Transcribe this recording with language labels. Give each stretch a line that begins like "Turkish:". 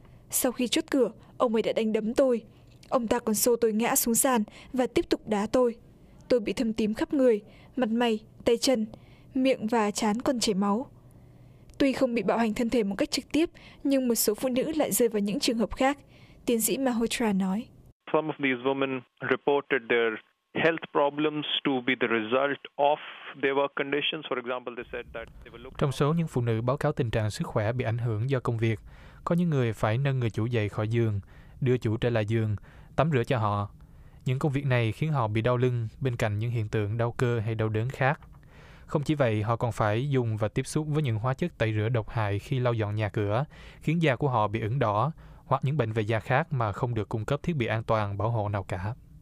Vietnamese: Sau khi chốt cửa, ông ấy đã đánh đấm tôi. Ông ta còn xô tôi ngã xuống sàn và tiếp tục đá tôi. Tôi bị thâm tím khắp người, mặt mày, tay chân, miệng và trán còn chảy máu. Tuy không bị bạo hành thân thể một cách trực tiếp, nhưng một số phụ nữ lại rơi vào những trường hợp khác, tiến sĩ Mahotra nói.
English: Some of these women reported their health problems to be the result of their work conditions. For example, they said that they were looking.
Vietnamese: Trong số những phụ nữ báo cáo tình trạng sức khỏe bị ảnh hưởng do công việc, có những người phải nâng người chủ dậy khỏi giường, đưa chủ trở lại giường, tắm rửa cho họ. Những công việc này khiến họ bị đau lưng bên cạnh những hiện tượng đau cơ hay đau đớn khác. Không chỉ vậy, họ còn phải dùng và tiếp xúc với những hóa chất tẩy rửa độc hại khi lau dọn nhà cửa, khiến da của họ bị ửng đỏ, hoặc những bệnh về da khác mà không được cung cấp thiết bị an toàn bảo hộ nào cả.